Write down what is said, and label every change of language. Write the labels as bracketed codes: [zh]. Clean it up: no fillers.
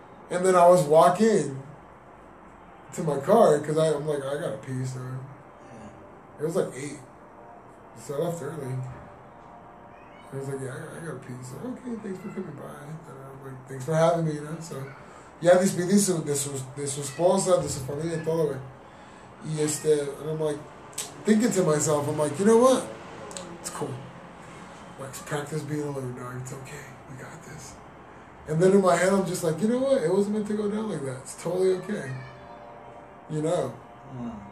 [en] And then I was walking to my car because I'm like, I got a pee, so. It was like 8. So I left early. I was like, yeah, I got a pee. So, okay, thanks for coming by. And I'm like, thanks for having me, you know? So. [es] Ya despedí de su esposa, de su familia, todo, güey. Y este, [en] and I'm like, thinking to myself, I'm like, you know what? It's cool. Like, practice being alone, dog. It's okay. We got this. And then in my head, I'm just like, you know what? It wasn't meant to go down like that. It's totally okay. You know? Yeah.